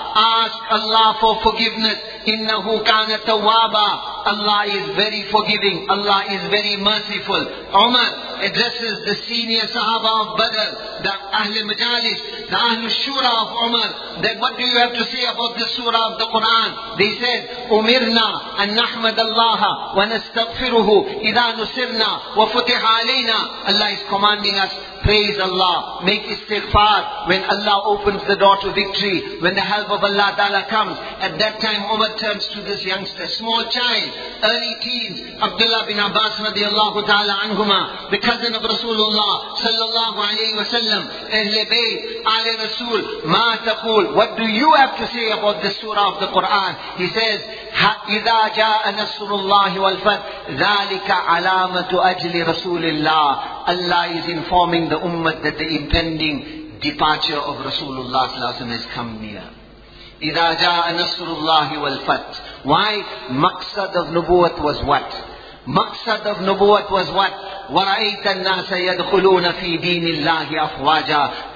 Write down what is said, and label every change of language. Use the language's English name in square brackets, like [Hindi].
[English] Ask Allah for forgiveness. [Arabic] إِنَّهُ كَانَ تَوَّابًا. [English] Allah is very forgiving. Allah is very merciful. Umar addresses the senior Sahaba of Badr, the Ahl Majalis, the Ahl Shura of Umar, that what do you have to say about the Surah of the Quran? They said, [Arabic] أُمِرْنَا أَن نَحْمَدَ اللَّهَ وَنَسْتَغْفِرُهُ إِذَا نُسِرْنَا وَفُتِحَ عَلَيْنَا. [English] Allah is commanding us, praise Allah, make istighfar. When Allah opens the door to victory, when the help of Allah Ta'ala comes, at that time Umar turns to this youngster, small child, early teens, Abdullah bin Abbas radiallahu ta'ala anhuma, the cousin of Rasulullah sallallahu alayhi wa sallam, Ahle Bayt, Ahle Rasul, [Arabic] ma taqul, [English] what do you have to say about this surah of the Quran? He says, [Arabic] إِذَا جَاءَ نَصْرُ اللَّهِ وَالْفَتْحِ ذَلِكَ عَلَامَةُ أَجْلِ رَسُولِ اللَّهِ. [English] Allah is informing the ummah that the impending departure of Rasulullah sallallahu alaihi wasallam has come near. [Arabic] إِذَا جَاءَ نَصْرُ اللَّهِ وَالْفَتْحِ. Why? [English] Maqsad of nubuwat was what? Maqsad of nubuwat was what? [Arabic] وَرَأَيْتَ النَّاسَ يَدْخُلُونَ فِي دِينِ اللَّهِ أَفْوَاجًا.